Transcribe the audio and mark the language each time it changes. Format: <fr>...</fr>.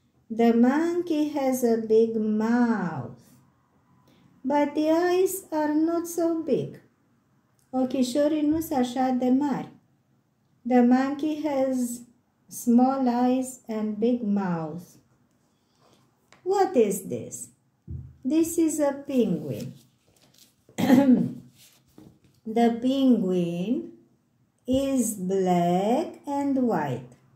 <en>The monkey has a big mouth, but the eyes are not so big.</en> <ro>Ochișorii nu sunt așa de mari.</ro> <en>The monkey has small eyes and big mouth. What is this? This is a penguin. The penguin is black and white.</en>